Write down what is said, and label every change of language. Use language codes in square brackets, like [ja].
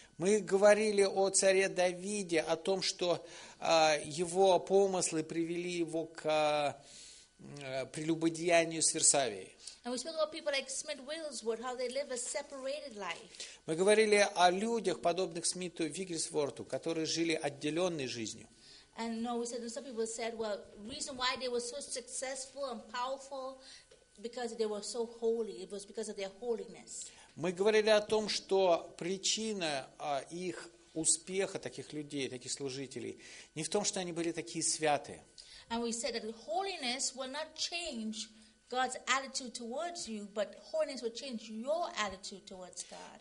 [ru] Мы говорили о царе Давиде, о том, что его помыслы привели его к прелюбодеянию с Версавией. [en] And we spoke about people like Smith Wigglesworth, how they live a separated life. [ru] Мы говорили о людях, подобных Смиту Вигглесворту, которые жили отделенной жизнью. [en] And no, we said, some people said, well, the reason why they were so successful and powerful, because they were so holy, it was because of their holiness. [ru] Мы говорили о том, что причина их успеха, таких людей, таких служителей, не в том, что они были такие святые. [en] And we said that holiness will not change God's attitude towards you, but holiness will change your attitude towards God.